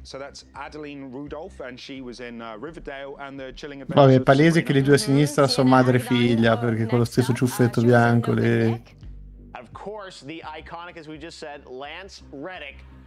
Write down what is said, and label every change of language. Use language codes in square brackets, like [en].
[en] So that's Adeline Rudolph, and she was in Riverdale and the Chilling Adventures. [it] Vabbè, è palese che le due a sinistra sono madre e figlia, perché con lo stesso ciuffetto bianco le. [en] Of course, the iconic, as we just said, Lance Reddick.